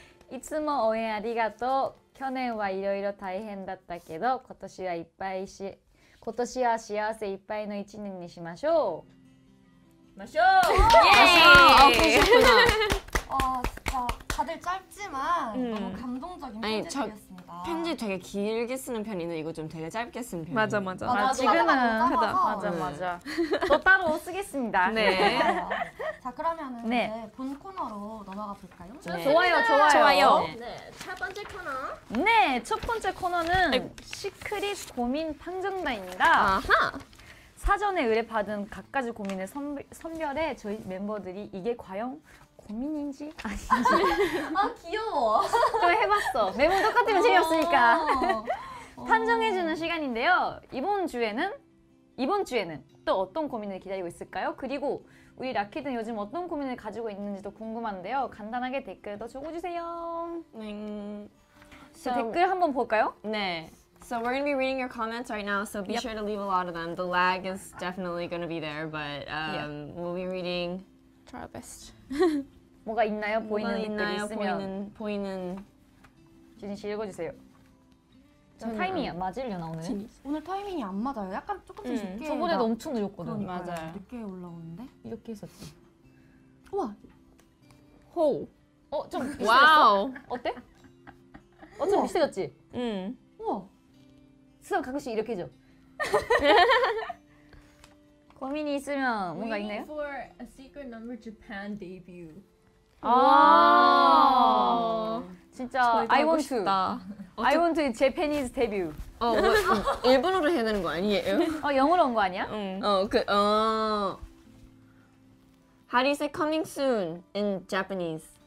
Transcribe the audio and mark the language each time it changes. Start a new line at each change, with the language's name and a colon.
Japanese: いつも応援ありがとう。去年はいろいろ大変だったけど、今年はいっぱい幸せいっぱいの1年にしましょう。ましょう。イエーイ。あ、
Korean: 진짜 다들 짧지만 너무 감동적인 편지였습니다. 편지 되게 길게 쓰는 편이네. 이거 좀 되게 짧게 쓴 편이. 맞아 맞아. 아, 지금은 하다. 맞아 맞아. 또 따로 쓰겠습니다. 네. 자 그러면은 네. 이제 본 코너로 넘어가 볼까요? 네. 좋아요 좋아요 좋아요. 네, 첫 번째 코너. 네, 첫 번째 코너는 시크릿 고민 탕정단입니다. 아하. 사전에 의뢰받은 각가지 고민을 선별해 저희 멤버들이 이게 과연 고민인지 아닌지. 아 귀여워. 또 해봤어. 매번 똑같으면 재미없으니까. 판정해주는 시간인데요. 이번 주에는 또 어떤 고민을 기다리고 있을까요? 그리고 우리 라키든 요즘 어떤 고민을 가지고 있는지도 궁금한데요. 간단하게 댓글도 적어주세요. 네. So, 댓글 한번 볼까요? 네.
English: So we're going to be reading your comments right now, so be sure to leave a lot of them. The lag is definitely going to be there, but we'll be reading. Try our best.
Korean: 뭐가 있나요? 보이는 댓글 있나요? 있으면. 보이는. 지진 씨 읽어주세요. 타이밍이 안 맞으려나 오늘? 오늘 타이밍이 안 맞아요. 약간 조금씩 늦게. 저번에도 엄청 늦었거든. 맞아요. 늦게 올라오는데? 이렇게 했었지. 우와! 호! 어? 좀 비슷해졌어? 와우! 어때? 어? 좀 비슷해졌지? 우와! 수상 가끔씩 이렇게 해줘. 고민이 있으면 뭔가 있나요?
English: Waiting for a secret number Japan debut.
Korean: 아 진짜
English: I want to
Korean: 싶다.
English: I want to Japanese debut.
Korean: 어, 뭐, 일본어로 해야 되는 거 아니에요? 어, 영어로 온 거 아니야? 응.
English: 어, How do you say coming soon in Japanese?